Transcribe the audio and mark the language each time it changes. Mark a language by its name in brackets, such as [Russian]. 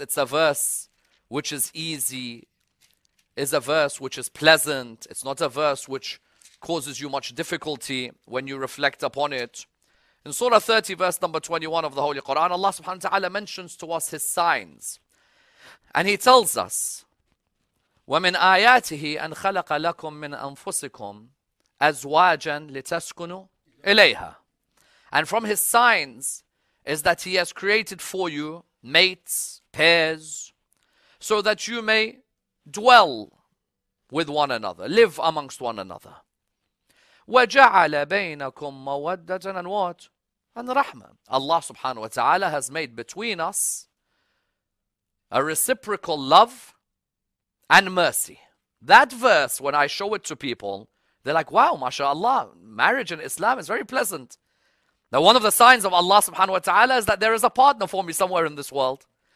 [English] It's a verse which is easy, is a verse which is pleasant. It's not a verse which causes you much difficulty when you reflect upon it. In Surah 30, verse number 21 of the Holy Quran, Allah subhanahu wa ta'ala mentions to us his signs. And he tells us, [Arabic] وَمِنْ آيَاتِهِ أَنْ خَلَقَ لَكُمْ مِنْ أَنفُسِكُمْ أَزْوَاجًا لِتَسْكُنُوا إِلَيْهَا. [English] And from his signs is that he has created for you mates, pairs, so that you may dwell with one another, live amongst one another. [Arabic] وَجَعَلَ بَيْنَكُمْ مَوَدَّةً [English] and what? And رَحْمَةً. Allah subhanahu wa ta'ala has made between us a reciprocal love and mercy. That verse, when I show it to people, they're like, wow, mashallah, marriage in Islam is very pleasant. Now, one of the signs of Allah subhanahu wa ta'ala is that there is a partner for me somewhere in this world.